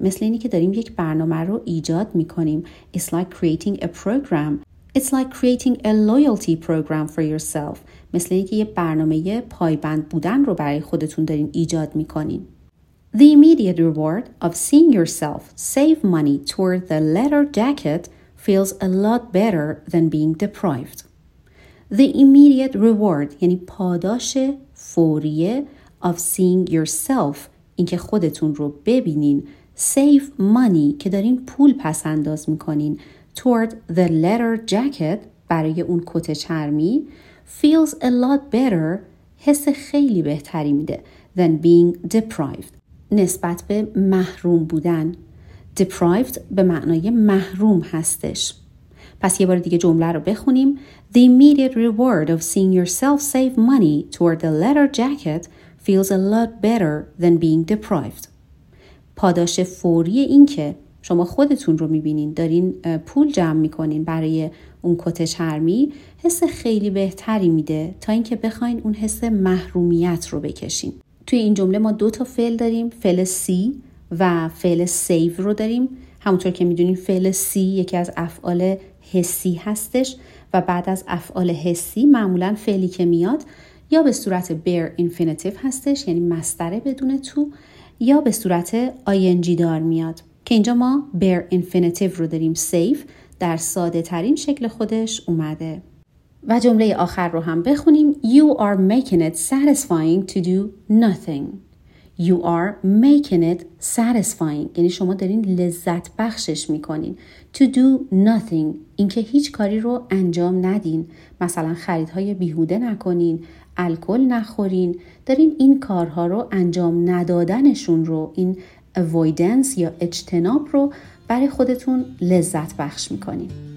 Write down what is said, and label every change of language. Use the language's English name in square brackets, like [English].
[Persian] مثل اینه که داریم یک برنامه رو ایجاد میکنیم. [English] It's like creating a program. It's like creating a loyalty program for yourself. [Persian] مثل اینه که یه برنامه پایبند بودن رو برای خودتون دارین ایجاد میکنین. [English] The immediate reward of seeing yourself save money toward the leather jacket feels a lot better than being deprived. The immediate reward, [Persian] یعنی پاداش فوریه, [English] of seeing yourself, [Persian] اینکه خودتون رو ببینین, [English] save money, [Persian] که دارین پول پس انداز میکنین, [English] toward the leather jacket, [Persian] برای اون کت چرمی, [English] feels a lot better, [Persian] حس خیلی بهتری میده, [English] than being deprived. [Persian] نسبت به محروم بودن. Deprived به معنای محروم هستش. پس یه بار دیگه جمله رو بخونیم. [English] The immediate reward of seeing yourself save money toward the leather jacket feels a lot better than being deprived. [Persian] پاداش فوری این که شما خودتون رو میبینین دارین پول جمع میکنین برای اون کت چرمی, حس خیلی بهتری میده تا اینکه بخواین اون حس محرومیت رو بکشین. توی این جمله ما دو تا فعل داریم, فعل سی و فعل سیو رو داریم. همونطور که میدونین فعل سی یکی از افعال حسی هستش و بعد از افعال حسی معمولا فعلی که میاد یا به صورت بیر اینفینیتیو هستش, یعنی مصدر بدون تو, یا به صورت آی ان جی دار میاد, که اینجا ما بیر اینفینیتیو رو داریم. سیو در ساده ترین شکل خودش اومده. و جمله آخر رو هم بخونیم. [English] You are making it satisfying to do nothing. You are making it satisfying. [Persian] یعنی شما دارین لذت بخشش میکنین. [English] To do nothing. [Persian] اینکه هیچ کاری رو انجام ندین. مثلا خریدهای بیهوده نکنین. الکل نخورین. دارین این کارها رو انجام ندادنشون رو, این avoidance یا اجتناب رو برای خودتون لذت بخش میکنین.